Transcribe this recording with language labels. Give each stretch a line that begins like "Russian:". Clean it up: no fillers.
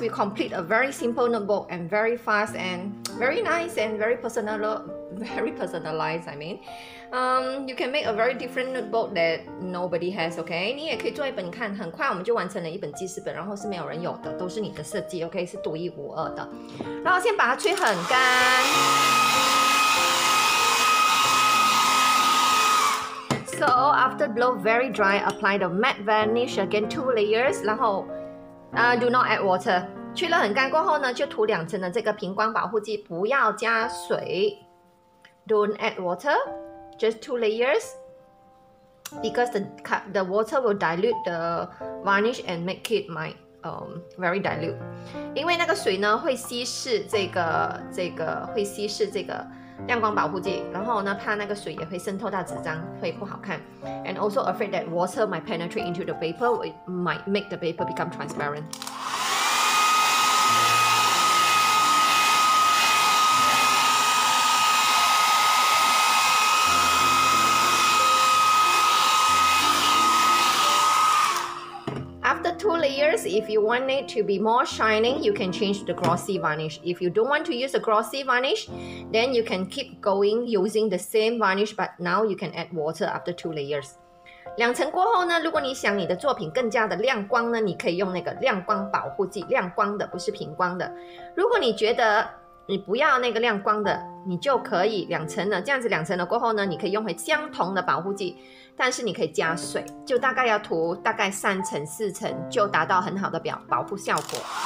English: We complete a very simple notebook and very fast and very nice and very personal, very personalized. I mean, you can make a very different notebook that nobody has. Okay?
Chinese: 你也可以做一本，你看，很快我们就完成了一本记事本，然后是没有人有的，都是你的设计。 Okay? 是独一无二的。然后先把它吹很干。
English: So after blow very dry, apply the matte varnish again two layers. 然后do not add water.
Chinese: 吹了很干过后呢，就涂两层的这个平光保护剂，不要加水。
English: Don't add water, just two layers, because the water will dilute the varnish and make it very dilute.
Chinese: 因为那个水呢会稀释这个会稀释这个亮光保护剂，然后呢怕那个水也会渗透到纸张，会不好看。
English: And also afraid that water might penetrate into the paper, it might make the paper become transparent. After two layers, if you want it to be more shining, you can change the glossy varnish. If you don't want to use the glossy varnish, then you can keep going using the same varnish, but now you can add water after two layers.
Chinese: 两层过后呢，如果你想你的作品更加的亮光呢，你可以用那个亮光保护剂，亮光的，不是平光的。如果你觉得你不要那个亮光的，你就可以两层了，这样子两层了过后呢，你可以用回相同的保护剂，但是你可以加水，就大概要涂大概三层四层就达到很好的保护效果。